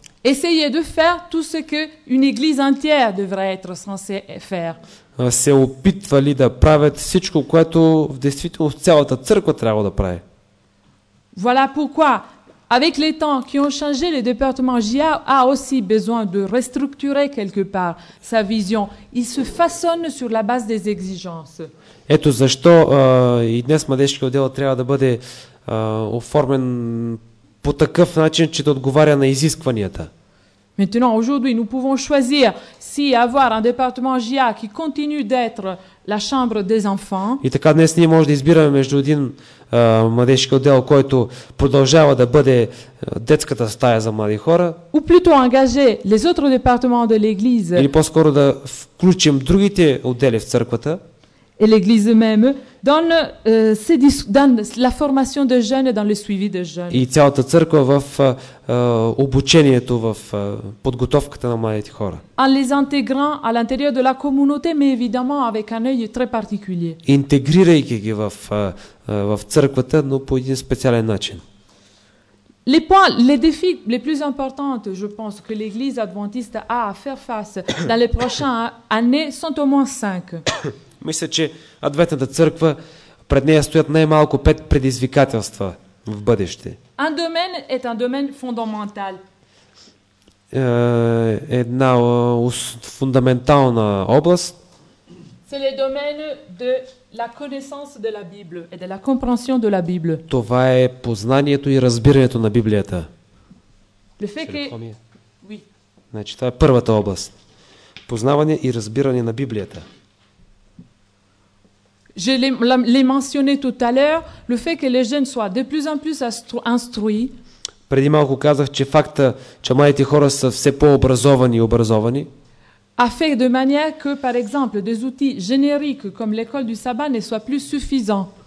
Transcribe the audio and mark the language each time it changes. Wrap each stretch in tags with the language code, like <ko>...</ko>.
<fr>Essayer de faire tout ce que une église entière devrait être censée faire.</fr> <bg>Се опитвали да правят всичко, което в действителност цялата църква трябва да прави.</bg> <fr>Voilà pourquoi, avec les temps qui ont changé, le département GIA a aussi besoin de restructurer quelque part sa vision. Il se façonne sur la base des exigences.</fr> <bg>Ето защо и днес младежкият отдел трябва да бъде оформен по такъв начин, че да отговаря на изискванията.</bg> <fr>Maintenant, aujourd'hui, nous pouvons choisir si avoir un département GIA qui continue d'être la chambre des enfants.</fr> <bg>И така днес ние може да избираме между един младежки отдел, който продължава да бъде детската стая за млади хора.</bg> <fr>Ou plutôt engager les autres départements de l'église.</fr> <bg>Или по-скоро да включим другите отдели в църквата.</bg> <fr>Et l'église même donne la formation de jeunes dans le suivi de jeunes.</fr> <bg>И цялата църква в обучението, в подготовката на младите хора.</bg> <fr>En les intégrant à l'intérieur de la communauté, mais évidemment avec un œil très particulier.</fr> <bg>Интегрирайки ги в църквата, но по един специален начин.</bg> <fr>Les défis les plus importants, je pense, que l'église adventiste a à faire face dans les prochaines années sont au moins 5.</fr> <bg>Мисля, че Адвентната църква пред нея стоят най-малко 5 предизвикателства в бъдеще.</bg> <fr>Un domaine est un domaine fondamental.</fr> <bg>Една фундаментална област.</bg> <fr>C'est le domaine de la connaissance de la Bible et de la compréhension de la Bible.</fr> <bg>Това е познанието и разбирането на Библията.</bg> <fr>Le fait que oui.</fr> <bg>Значи, това е първата област. Познаване и разбиране на Библията.</bg> <fr>Je l'ai mentionné tout à l'heure, le fait que les jeunes soient de plus en plus instruits.</fr> <bg>Преди малко казах, че факта, че младите хора са все по-образовани и образовани.</bg> <fr>A fait de manière que, par exemple, des outils génériques comme l'école du sabbat ne soient plus suffisants.</fr>